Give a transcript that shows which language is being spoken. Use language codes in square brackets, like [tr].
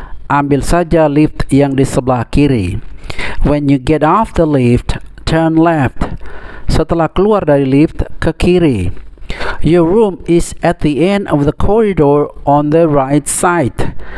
[id] ambil saja lift yang di sebelah kiri. [en] When you get off the lift, turn left. [id] Setelah keluar dari lift, ke kiri. [en] Your room is at the end of the corridor on the right side.